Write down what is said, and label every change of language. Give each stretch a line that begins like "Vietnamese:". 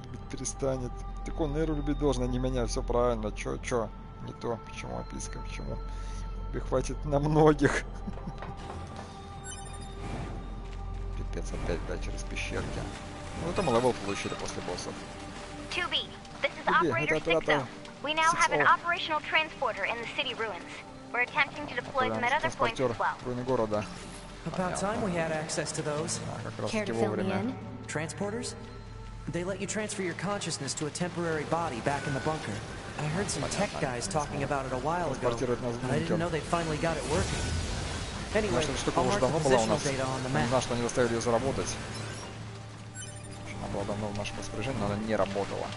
Russian: Перестанет. Так он Эру любить должен, а не меня, все правильно. Чё? Не то. Почему описка? Почему? Тебе хватит на многих. Пипец, опять, да, через пещерки. Ну это мы левел получили после боссов.
English: This is Operator 6-0. We now have an operational transporter in the city ruins. We're attempting to deploy them at other points as well.
Russian: Руины города.
English: About time we had access to those. Care to fill me in? Transporters? They let you transfer your consciousness to a temporary body back in the bunker. I heard some tech guys talking about it a while ago, but I didn't know they finally got it working. Anyway, I'll mark the positional data on the map.
Russian: Не знаю, что они заставили ее заработать. Она была давно в нашем распоряжении, но она не работала.